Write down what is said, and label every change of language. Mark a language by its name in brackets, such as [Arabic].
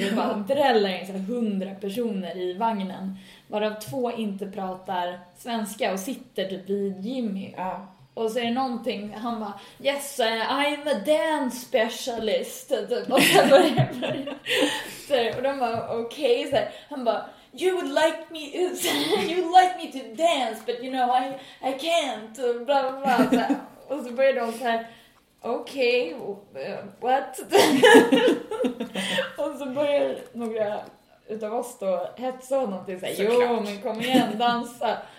[Swedish] Och det bara dräller in 100 personer i vagnen. Varav 2 inte pratar svenska och sitter typ vid Jimmy. Ja. Och så är det någonting, han bara, [English] yes, I'm a dance specialist. [Swedish] Och så börjar jag. Och de bara, okej. [English] Okay. [Swedish] Han bara, [English] you would like me to dance, but you know, I can't. [Swedish] Och, bla, bla, bla. Så, och så börjar de såhär, okej, what? Och så börjar några utav oss då hetsa honom till såhär, jo, men kom igen, dansa.